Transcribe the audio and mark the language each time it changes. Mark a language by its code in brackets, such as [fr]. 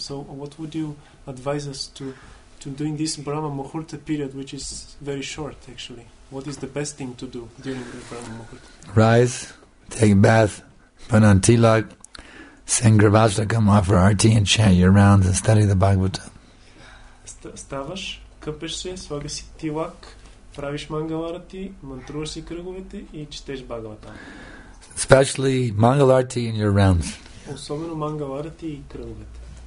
[en] So what would you advise us to do in this Brahma Muhurta period, which is very short actually? What is the best thing to do during the Brahma Muhurta? Rise, take a bath, put on tilak, sing Gurvashtakam, offer RT and chant your rounds and study the Bhagavata. [bg] Ставаш, къпеш се, слагаш си тилак, правиш мангаларати, мантруваш си кръговете и четеш Бхагавата. [en] Especially мангаларати in your rounds. [bg] Особено мангаларати и кръговете.